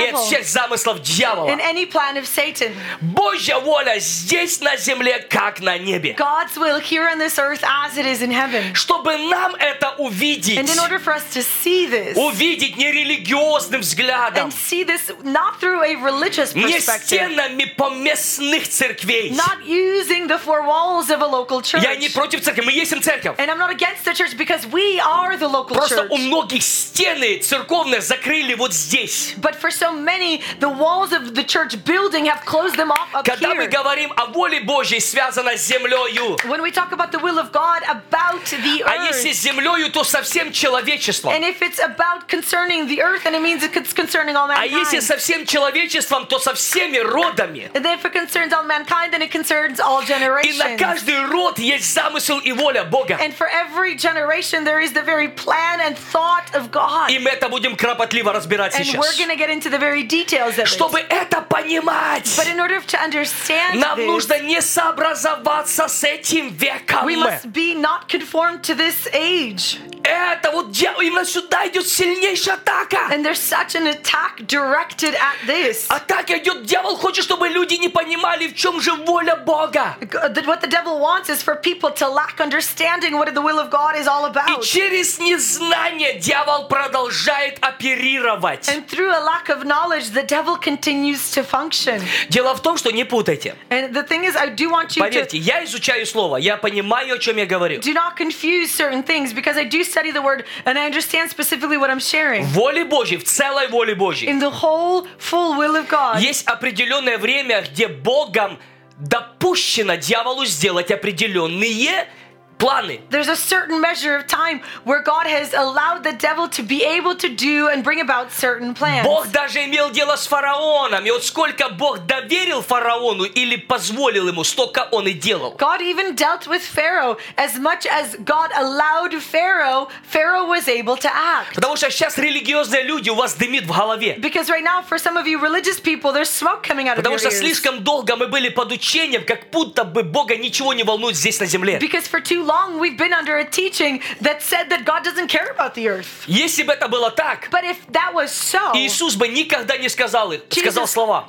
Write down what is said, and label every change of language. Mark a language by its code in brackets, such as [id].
[ru] И от всех замыслов дьявола. [en] And any plan of Satan. [ru] Божья воля здесь на земле, как на небе. [en] God's will here on this earth as it is in heaven. [ru] Чтобы нам это увидеть. [en] And in order for us to see this. [ru] Увидеть не религиозным взглядом. [en] And see this not through a religious perspective. [ru] Не стенами поместных церквей. [en] Not using the four walls of a local church. [ru] Я не против церкви, мы есть церковь. [en] And I'm not against the church because we are the local [ru] просто [en] church. [ru] Просто у многих стены церковные закрыли вот здесь. [en] But for so many, the walls of the church building have closed them off up [ru] когда [en] here. [ru] Когда мы говорим о воле Божьей, связанной с землею. [en] When we talk about the will of God about the earth. [ru] А если с землею, то со всем человечеством. [en] And if it's about concerning the earth, then it means it's concerning all mankind. [ru] А если со всем человечеством, то со всеми родами. [en] And if it concerns all mankind, then it concerns all generations. [ru] И на каждый род есть замысел и воля Бога. [en] And for every generation, there is the very plan and thought of God. [ru] И мы это будем кропотливо разбирать [en] and [ru] сейчас. [en] And we're going to get into the very details of [ru] чтобы [en] it. [ru] Это понимать. [en] But in order to understand [ru] нам [en] this, [ru] нужно не сообразоваться с этим веком. [en] We must be not conformed to this age. [ru] Это вот именно сюда идет сильнейшая атака. [en] And there's such an attack directed at this. [ru] Атака идет, дьявол хочет, чтобы люди не понимали, в чем же воля Бога. [en] What the devil wants is for people to lack understanding what the will of God is all about. [ru] И через незнание дьявол продолжает оперировать. [en] And through a lack of knowledge, the devil continues to function. [ru] Дело в том, что не путайте. [en] And the thing is, I do want you [ru] Поверьте, [en] to... [ru] я изучаю слово, я понимаю, о чем я говорю. [en] Do not confuse certain things, because I do study the word and I understand specifically what I'm sharing. [ru] Воле Божьей, в целой воле Божьей. [en] In the whole full will of God. [ru] Есть определенное время, где Богом допущено дьяволу сделать определенные планы. [en] There's a certain measure of time where God has allowed the devil to be able to do and bring about certain plans. [ru] Бог даже имел дело с фараоном, и вот сколько Бог доверил фараону или позволил ему, столько он и делал. [en] God even dealt with Pharaoh. As much as God allowed Pharaoh, Pharaoh was able to act. [ru] Потому что сейчас религиозные люди у вас дымит в голове. [en] Because right now, for some of you religious people, there's smoke coming out of [ru] Потому [en] your ears. [ru] Потому что слишком долго мы были под учением, как будто бы Бога ничего не волнует здесь на земле. [en] Because for too long we've been under a teaching that said that God doesn't care about the earth. [ru] Если бы это было так, [en] but if that was so, [ru] Иисус бы никогда не сказал их, сказал слова.